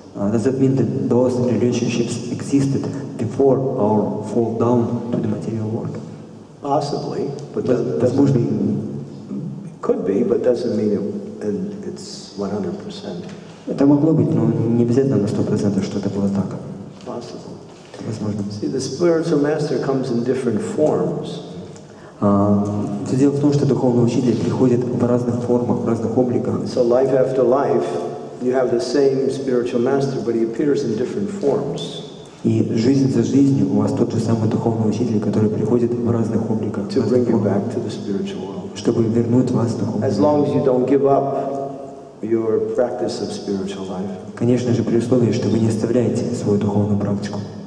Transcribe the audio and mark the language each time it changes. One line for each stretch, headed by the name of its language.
English: Does that mean that those relationships existed before our fall down to the material world? Possibly, but doesn't mean it could be, but doesn't mean it's 100%.
Russian: Это могло быть, но не обязательно на 100%, что это было так.
English: Possible.
Russian: Возможно.
English: See, the spiritual master comes in different forms.
Russian: Все дело в том, что духовный учитель приходит в разных формах, в разных обликах.
English: So life after life, you have the same spiritual master, but he appears in different forms.
Russian: И жизнь за жизнью у вас тот же самый духовный учитель, который приходит в разных обликах.
English: To bring you back to the spiritual world.
Russian: Чтобы вернуть вас в духовный мир.
English: As long as you don't give up your practice of spiritual life.
Russian: Конечно же, при условии, что вы не оставляете свою духовную практику.